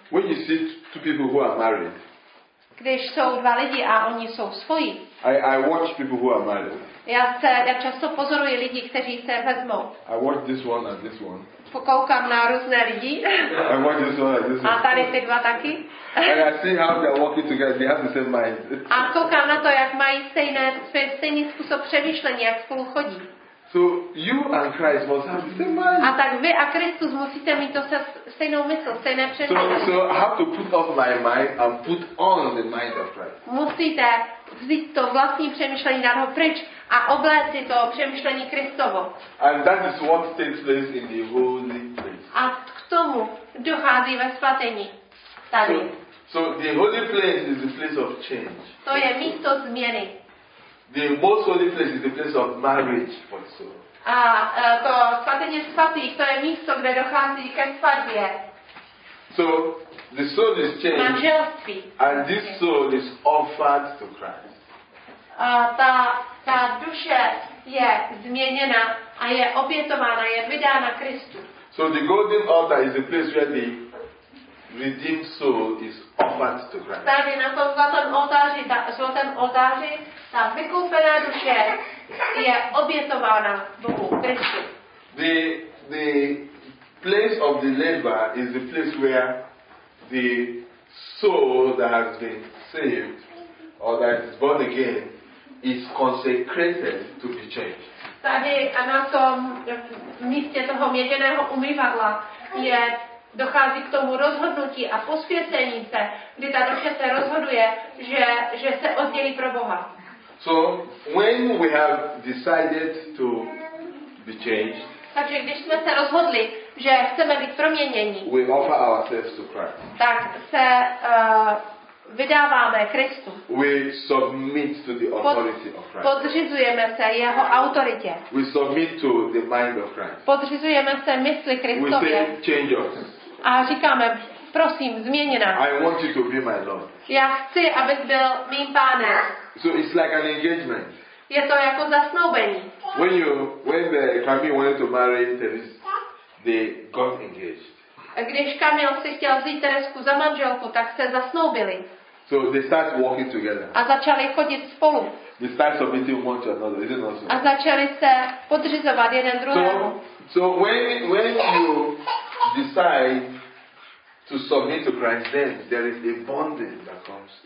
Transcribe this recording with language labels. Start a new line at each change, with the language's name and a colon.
English: When you see two people who are married,
Czech: když jsou dva lidi a oni jsou svoji,
English: I watch people who are married.
Czech: Já často pozoruji lidi, kteří se vezmou.
English: I watch this one and this one.
Czech: Pokoukám na různé lidi.
English: I watch this one and this one.
Czech: A tady ty dva taky.
English: And I see how they're working together. They have the same mind.
Czech: A koukám na to, jak mají stejný způsob přemýšlení, jak spolu chodí.
English: So you and Christ must have the same mind.
Czech: A tak vy a Kristus musíte mít to stejnou mysl, stejné přemýšlení.
English: So I have to put off my mind and put on the mind of Christ.
Czech: Musíte vzít to vlastní přemýšlení dát ho pryč a obléct si to přemýšlení Kristovo.
English: And that is what takes place in the holy place.
Czech: A k tomu dochází ve svatyni. Tady.
English: So the holy place is the place of change.
Czech: To je místo změny.
English: The most holy place is the place of marriage for the soul.
Czech: A to svatyně svatých, to je místo, kde dochází ke svatbě.
English: So the soul is changed.
Czech: Manželství.
English: And this soul is offered to Christ.
Czech: A ta duše je změněna a je obětována, je vydána Kristu.
English: So the golden altar is the place where the redeemed soul is offered to Christ.
Czech: Tady na tom zlatém oltáři ta vykoupená duše je obětována Bohu Kristu.
English: The place of the labor is the place where the soul that has been saved or that is born again is consecrated to be changed.
Czech: Tady a na tom místě toho měděného umývadla je dochází k tomu rozhodnutí a posvěcení se, kdy ta duše se rozhoduje, že se oddělí pro Boha.
English: So when we have decided to be changed,
Czech: takže když jsme se rozhodli, že chceme být proměněni,
English: we offer ourselves to Christ.
Czech: Tak se vydáváme Kristu.
English: We submit to the authority of Christ.
Czech: Podřizujeme se jeho autoritě.
English: We submit to the mind of Christ.
Czech: Podřizujeme se mysli Kristově.
English: We say, change us.
Czech: A říkáme, prosím, změň nás.
English: I want you to be my Lord.
Czech: Já chci, abys byl mým pánem.
English: So it's like an engagement.
Czech: Je to jako zasnoubení.
English: When Camille wanted to marry Teresa, they got engaged.
Czech: A když Camille si chtěl vzít Teresku za manželku, tak se zasnoubili.
English: So they start walking together.
Czech: A začali chodit spolu.
English: They start submitting one to another, isn't it also?
Czech: A začali se podřizovat jeden druhému.
English: So when you decide to submit to Christ, then there is a bonding that comes.